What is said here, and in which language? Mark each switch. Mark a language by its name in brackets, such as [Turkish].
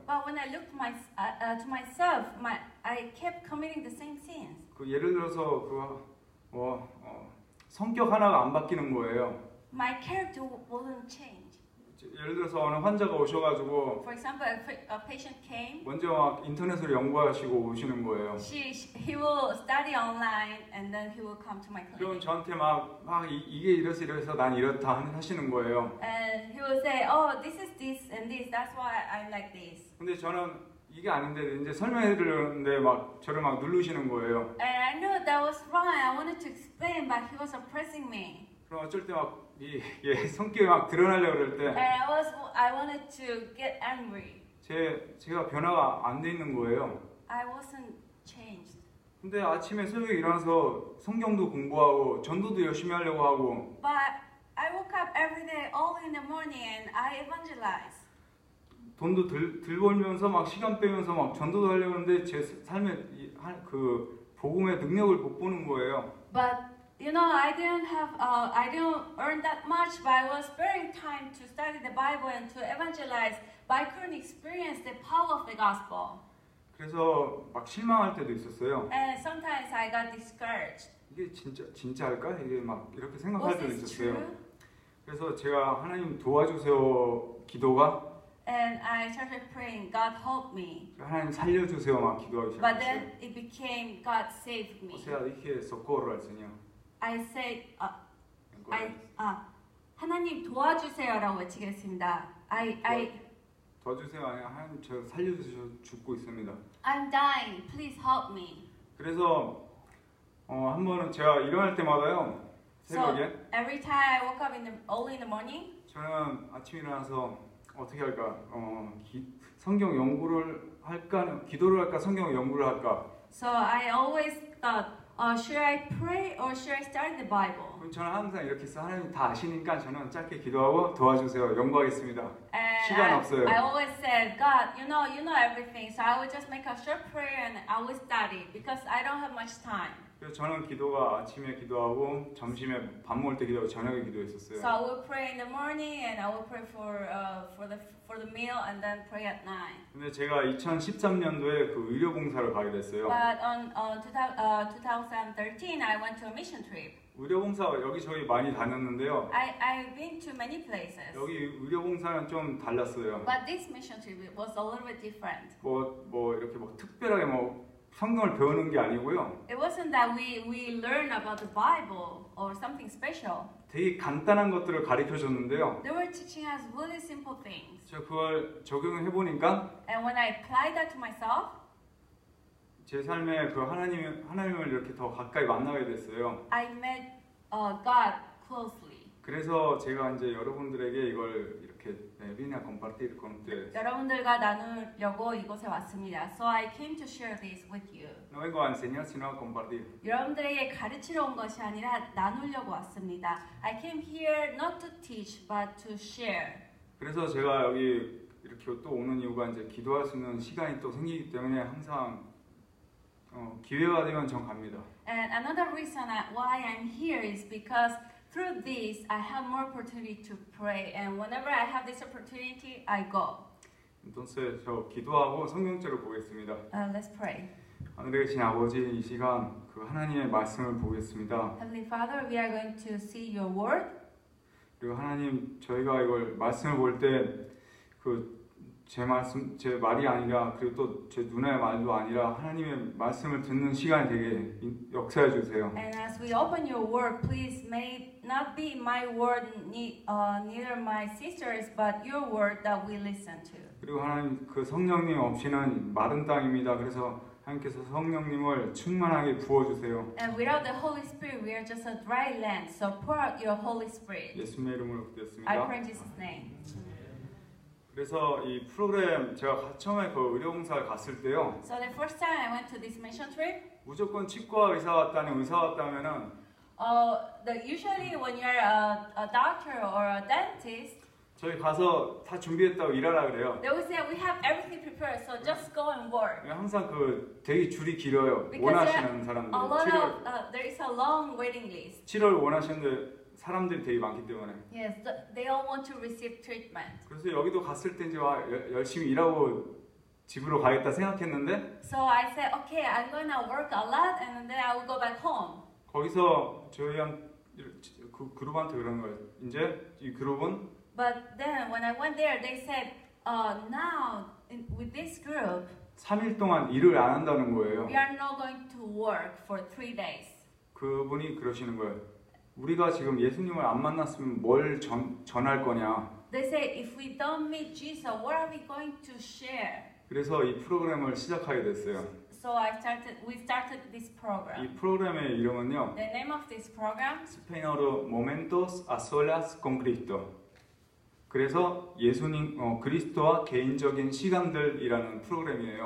[English] But when I looked to myself, I kept committing the same sins. [Korean] 그 예를 들어서 그 성격 하나가 안 바뀌는 거예요. [English] My character wouldn't change. [Korean] 예를 들어서 어느 환자가 오셔가지고 [English] For example, a patient came. [Korean] 먼저 막 인터넷으로 연구하시고 오시는 거예요. [English] He will study online and then he will come to my clinic. [Korean] 그럼 저한테 막 이게 이래서 이래서 난 이렇다 하시는 거예요. [English] And he will say, "Oh, this is this and this. That's why I'm like this." [Korean] 근데 저는 이게 아닌데 이제 설명해드렸는데 막 저를 막 누르시는 거예요. [English] And I knew that was wrong. I wanted to explain, but he was oppressing me. [Korean] 그럼 어쩔 때 막 얘 성격이 막 드러나려고 그럴 때. [English] And I wanted to get angry. [Korean] 제가 변화가 안 돼 있는 거예요. [English] I wasn't changed. [Korean] 근데 아침에 새벽에 일어나서 성경도 공부하고 전도도 열심히 하려고 하고. [English] But I woke up every day, early in the morning, and I evangelize. [Korean] 돈도 들 벌면서 막 시간 빼면서 막 전도도 하려고 하는데 제 삶에 그 복음의 능력을 못 보는 거예요. [English] But you know, I didn't earn that much, but I was sparing time to study the Bible and to evangelize, but I couldn't experience the power of the gospel. [Korean] 그래서 막 실망할 때도 있었어요. [English] And sometimes I got discouraged. [Korean] 이게 진짜일까? 이게 막 이렇게 생각할 때도 있었어요. 그래서 제가 하나님 도와주세요 기도가 [English] And I started praying, God help me. [Korean] 하나님 살려주세요 막 기도하기 시작했어요. [English] But then it became God save me. [Korean] 호세아 이렇게 [Spanish] socorro al Señor. [English] I said, I [Korean] 하나님 도와주세요라고 외치겠습니다. [English] I [Korean] 도와주세요 아니 하나님 제가 살려주셔 죽고 있습니다. [English] I'm dying, please help me. [Korean] 그래서 한 번은 제가 일어날 때마다요 새벽에. [English] So every time I woke up in the early in the morning. [Korean] 저는 아침에 일어나서 어떻게 할까 성경 연구를 할까 기도를 할까 성경 연구를 할까. [English] So I always thought. Should I pray or should I study the Bible? [Korean] 저는 항상 이렇게 써 하나님 다 아시니까 저는 짧게 기도하고 도와주세요 연구하겠습니다. [English] And [Korean] 시간 없어요. [English] I always said, God, you know everything, so I would just make a short prayer and I would study because I don't have much time. [Korean] 그래서 저는 기도가 아침에 기도하고 점심에 밥 먹을 때 기도하고 저녁에 기도했었어요. [English] So I would pray in the morning and I would pray for the meal and then pray at night. [Korean] 근데 제가 2013년도에 그 의료 봉사를 가게 됐어요. [English] But on 2013 I went to a mission trip. [Korean] 의료 봉사 여기 저기 많이 다녔는데요. [English] I've been to many places. [Korean] 여기 의료 봉사는 좀 달랐어요. [English] But this mission trip was a little bit different. [Korean] 뭐 이렇게 막 특별하게 뭐 성경을 배우는 게 아니고요. [English] It wasn't that we learn about the Bible or something special. [Korean] 되게 간단한 것들을 가르쳐 줬는데요. [English] They were teaching us really simple things. [Korean] 제가 그걸 적용을 해 보니까 [English] And when I apply that to myself, [Korean] 제 삶에 그 하나님을 이렇게 더 가까이 만나게 됐어요. [English] I met God closely. [Korean] 그래서 제가 이제 여러분들에게 이걸 이렇게 비나 [Spanish] compartir con ustedes. [Korean] 여러분들과 나누려고 이곳에 왔습니다. [English] So I came to share this with you. [Spanish] No vengo a enseñar sino a compartir. [Korean] 여러분들에게 가르치러 온 것이 아니라 나누려고 왔습니다. [English] I came here not to teach but to share. [Korean] 그래서 제가 여기 이렇게 또 오는 이유가 이제 기도할 수 있는 시간이 또 생기기 때문에 항상 기회가 되면 전 갑니다. [English] And another reason why I'm here is because through this I have more opportunity to pray and whenever I have this opportunity I go. [Spanish] Entonces, [Korean] 저 기도하고 성경책을 보겠습니다. [English] Let's pray. [Korean] 하늘에 계신 아버지 이 시간 그 하나님의 말씀을 보겠습니다. [English] Heavenly Father, we are going to see your word. [Korean] 그리고 하나님 저희가 이걸 말씀을 볼 때 그 제 말씀, 제 말이 아니라 그리고 또 제 누나의 말도 아니라 하나님의 말씀을 듣는 시간이 되게 역사해 주세요. [English] And as we open your word, please may not be my word neither my sister's but your word that we listen to. [Korean] 그리고 하나님 그 성령님 없이는 마른 땅입니다. 그래서 하나님께서 성령님을 충만하게 부어 주세요. [English] And without the Holy Spirit, we are just a dry land. So pour out your Holy Spirit. [Korean] 예수님의 이름으로 기도했습니다. [English] I pray in Jesus name. [Korean] 그래서 이 프로그램 제가 처음에 그 의료봉사를 갔을 때요. [English] So the first time I went to this mission trip. [Korean] 무조건 치과 의사 왔다는 의사 왔다면은. [English] Usually when you're a doctor or a dentist. [Korean] 저희 가서 다 준비했다고 일하라 그래요. [English] They would say we have everything prepared, so just go and work. [Korean] 항상 그 되게 줄이 길어요. [English] Because [Korean] 원하시는 사람들. [English] There is a long waiting list. [Korean] 치료를 원하시는 사람들이 되게 많기 때문에. [English] Yes, they all want to receive treatment. [Korean] 그래서 여기도 갔을 때 이제 와 열심히 일하고 집으로 가겠다 생각했는데. [English] So I said, okay, I'm gonna work a lot, and then I will go back home. [Korean] 거기서 저희 한 그 그룹한테 그런 거예요. 이제 이 그룹은. [English] But then when I went there, they said, now with this group. [Korean] 3일 동안 일을 안 한다는 거예요. [English] We are not going to work for 3 days. [Korean] 그분이 그러시는 거예요. 우리가 지금 예수님을 안 만났으면 뭘 전할 거냐? [English] They say if we don't meet Jesus, what are we going to share? [Korean] 그래서 이 프로그램을 시작하게 됐어요. [English] So we started this program. [Korean] 이 프로그램의 이름은요. [English] The name of this program? [Korean] 스페인어로 [Spanish] Momentos a solas con Cristo. [Korean] 그래서 예수님 그리스도와 개인적인 시간들이라는 프로그램이에요.